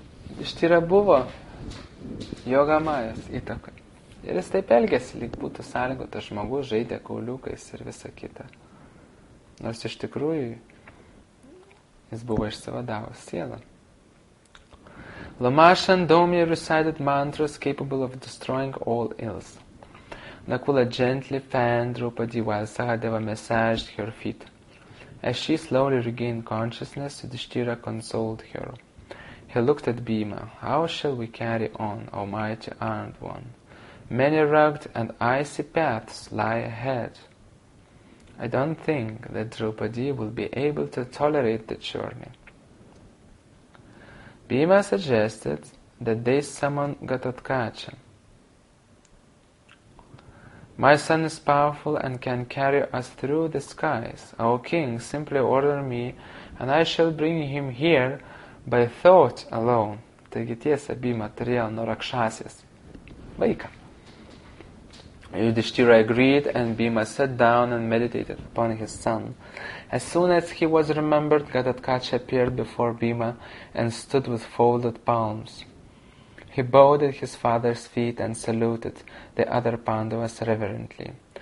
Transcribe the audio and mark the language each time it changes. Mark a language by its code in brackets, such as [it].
[lt] Yudhishthira buvo yoga majas įtaka. Ir jis taip elgėsi, lyg būtų sąlygotas žmogus, žaidė kauliukais ir visa kita. Nors iš tikrųjų jis buvo išsivadavęs sielą. [en] Lamasha and Domi recited mantras capable of destroying all ills. Nakula gently fanned Drupadi while Sahadeva massaged her feet. As she slowly regained consciousness, Yudhishthira consoled her. He looked at Bhima. "How shall we carry on, O mighty armed one? Many rugged and icy paths lie ahead. I don't think that Drupadi will be able to tolerate the journey." Bhima suggested that they summon Ghatotkacha. "My son is powerful and can carry us through the skies. O king, simply order me, and I shall bring him here by thought alone." [lt] Taigi tiesa, Bhima turėjo norakšasis vaiką. [en] Yudhishthira agreed, and Bhima sat down and meditated upon his son. As soon as he was remembered, Ghatotkacha appeared before Bhima and stood with folded palms. He bowed at his father's feet and saluted the other Pandavas reverently.